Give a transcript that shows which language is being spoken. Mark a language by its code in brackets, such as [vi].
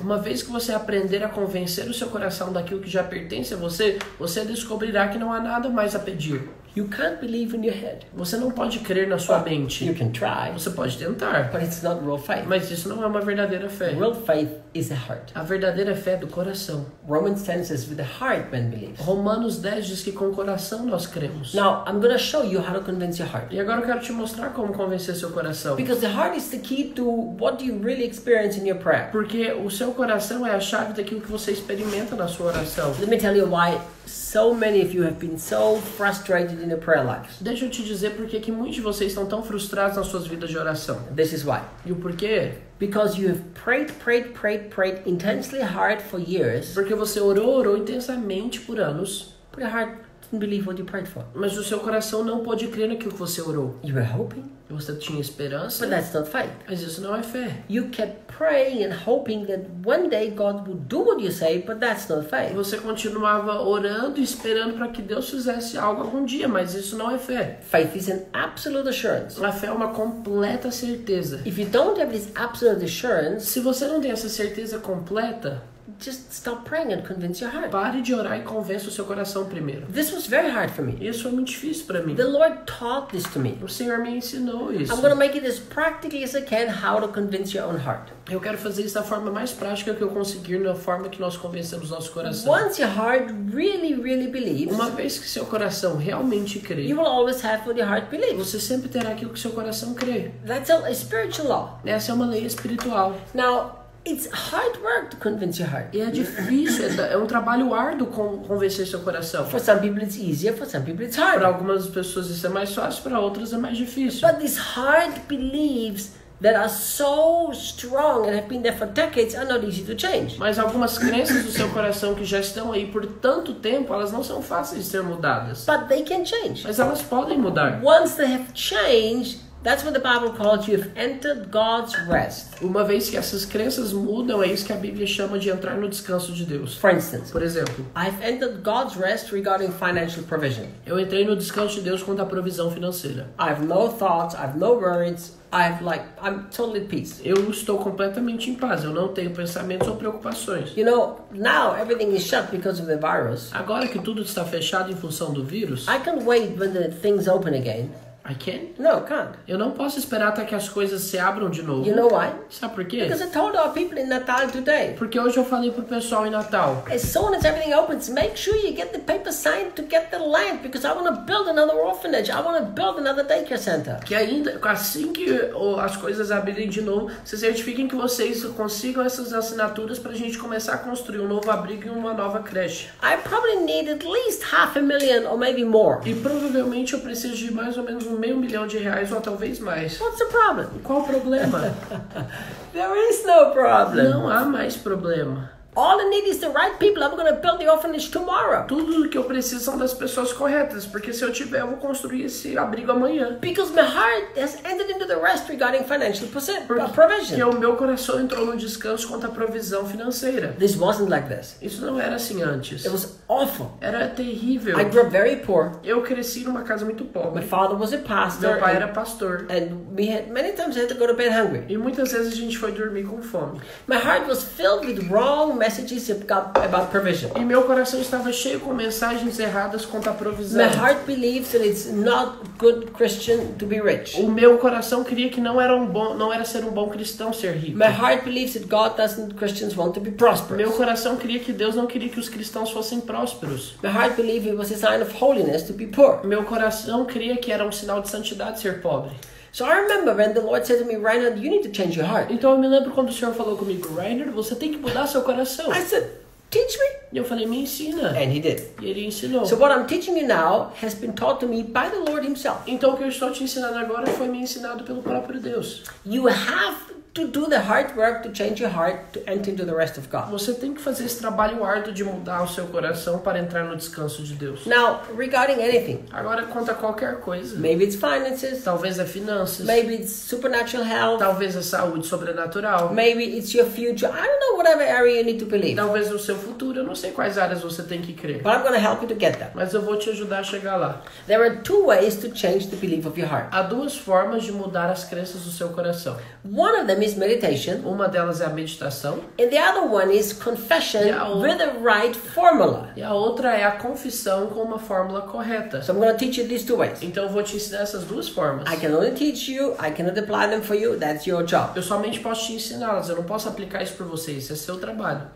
[pt] Uma vez que você aprender a convencer o seu coração daquilo que já pertence a você, você descobrirá que não há nada mais a pedir. [en] You can't believe in your head. [pt] Você não pode crer na sua mente. [en] You can try. [pt] Você pode tentar. [en] But it's not real faith. [pt] Mas isso não é uma verdadeira fé. [en] Real faith is the heart. [pt] A verdadeira fé é do coração. [en] Romans 10 says with the heart man believes. [pt] Romanos 10 diz que com o coração nós cremos. [en] Now I'm going to show you how to convince your heart. [pt] E agora eu quero te mostrar como convencer seu coração. [en] Because the heart is the key to what you really experience in your prayer. [pt] Porque o seu coração é a chave daquilo que você experimenta na sua oração. [en] Let me tell you why so many of you have been so frustrated in your prayer lives. [pt] Deixa eu te dizer por que muitos de vocês estão tão frustrados nas suas vidas de oração. [en] This is why. [pt] E o porquê? [en] Because you have prayed intensely hard for years. [pt] Porque você orou intensamente por anos. [en] But your heart didn't believe what you prayed for. [pt] Mas o seu coração não pôde crer naquilo que você orou. [en] You were hoping. [pt] Você tinha esperança. [en] But that's not faith. [pt] Mas isso não é fé. [en] You kept praying and hoping that one day God would do what you say, but that's not faith. [pt] Você continuava orando e esperando para que Deus fizesse algo algum dia, mas isso não é fé. [en] Faith is an absolute assurance. [pt] A fé é uma completa certeza. [en] If you don't have this absolute assurance, [pt] se você não tem essa certeza completa, [en] just stop praying and convince your heart. [pt] Pare de orar e convença o seu coração primeiro. [en] This was very hard for me. [pt] Isso foi muito difícil para mim. [en] The Lord taught this to me. [pt] O Senhor me ensinou isso. [en] I'm going to make it as practically as I can how to convince your own heart. [pt] Eu quero fazer isso da forma mais prática que eu conseguir, na forma que nós convencemos nosso coração. [en] Once your heart really, really believes, [pt] uma vez que seu coração realmente crê, [en] you will always have what your heart believes. [pt] Você sempre terá aquilo que seu coração crê. [en] That's a spiritual law. [pt] Essa é uma lei espiritual. [en] Now, it's hard work to convince your heart. [pt] E é difícil, é um trabalho árduo convencer seu coração. [en] For some people it's easier, for some people it's hard. [pt] Para algumas pessoas isso é mais fácil, para outras é mais difícil. [en] But these hard beliefs that are so strong and have been there for decades are not easy to change. [pt] Mas algumas crenças do seu coração que já estão aí por tanto tempo, elas não são fáceis de ser mudadas. [en] But they can change. [pt] Mas elas podem mudar. [en] Once they have changed, that's what the Bible calls you've entered God's rest. [pt] Uma vez que essas crenças mudam, é isso que a Bíblia chama de entrar no descanso de Deus. [en] For instance, [pt] por exemplo, [en] I've entered God's rest regarding financial provision. [pt] Eu entrei no descanso de Deus quanto à provisão financeira. [en] I have no thoughts, I have no worries, I'm totally at peace. [pt] Eu estou completamente em paz. Eu não tenho pensamentos ou preocupações. [en] You know, now everything is shut because of the virus. [pt] Agora que tudo está fechado em função do vírus, [en] I can't wait when the things open again. I can? No, can't. [pt] Eu não posso esperar até que as coisas se abram de novo. [en] You know why? [pt] Sabe por quê? [en] Because I told our people in Natal today. [pt] Porque hoje eu falei pro pessoal em Natal. [en] As soon as everything opens, make sure you get the paper signed to get the land, because I want to build another orphanage. I want to build another daycare center. [pt] Que ainda, assim que as coisas abrirem de novo, vocês certifiquem que vocês consigam essas assinaturas pra gente começar a construir um novo abrigo e uma nova creche. [en] I probably need at least half a million or maybe more. [pt] E provavelmente eu preciso de mais ou menos R$500.000 ou talvez mais. [en] What's the problem? [pt] Qual o problema? [en] There is no problem. [pt] Não há mais problema. [en] All I need is the right people. I'm going to build the orphanage tomorrow. [pt] Tudo que eu preciso são das pessoas corretas, porque se eu tiver, eu vou construir esse abrigo amanhã. [en] Because my heart has entered into the rest regarding financial provision. [pt] Porque o meu coração entrou no descanso quanto à provisão financeira. [en] This wasn't like this. [pt] Isso não era assim antes. [en] It was awful. [pt] Era terrível. [en] I grew up very poor. [pt] Eu cresci numa casa muito pobre. [en] My father was a pastor. [pt] Meu pai era pastor. [en] And we had many times I had to go to bed hungry. [pt] E muitas vezes a gente foi dormir com fome. [en] My heart was filled with wrong messages about provision. [pt] E meu coração estava cheio com mensagens erradas quanto à provisão. [en] My heart believes that it's not good Christian to be rich. [pt] O meu coração queria que não era ser um bom cristão ser rico. [en] My heart believes that God doesn't Christians want to be prosperous. [pt] Meu coração queria que Deus não queria que os cristãos fossem prósperos. [en] My heart believed it was a sign of holiness to be poor. [pt] Meu coração queria que era um sinal de santidade ser pobre. [en] So I remember when the Lord said to me, Reinhard, you need to change your heart. [pt] Então eu me lembro quando o Senhor falou comigo, Reinhard, você tem que mudar seu coração. [en] I said, teach me. [pt] E eu falei, me ensina. [en] And he did. [pt] E ele ensinou. [en] So what I'm teaching you now has been taught to me by the Lord himself. [pt] Então o que eu estou te ensinando agora foi me ensinado pelo próprio Deus. [en] You have to do the hard work to change your heart to enter into the rest of God. [pt] Você tem que fazer esse trabalho árduo de mudar o seu coração para entrar no descanso de Deus. [en] Now, regarding anything. [pt] Agora conta qualquer coisa. [en] Maybe it's finances. [pt] Talvez é finanças. [en] Maybe it's supernatural health. [pt] Talvez é saúde sobrenatural. [en] Maybe it's your future. I don't know whatever area you need to believe. [pt] Talvez é o seu futuro. Eu não sei quais áreas você tem que crer. [en] But I'm going to help you to get there. [pt] Mas eu vou te ajudar a chegar lá. [en] There are two ways to change the belief of your heart. [pt] Há duas formas de mudar as crenças do seu coração. [en] One of them is meditation. [pt] Uma delas é a meditação. [en] And the other one is confession with the right formula. [pt] E a outra é a confissão com uma fórmula correta. [en] So I'm going to teach you these two ways. [pt] Então eu vou te ensinar essas duas formas. [en] I can only teach you, I cannot apply them for you, that's your job. [pt] Eu somente posso te ensiná-las, eu não posso aplicar isso para vocês, esse é seu trabalho.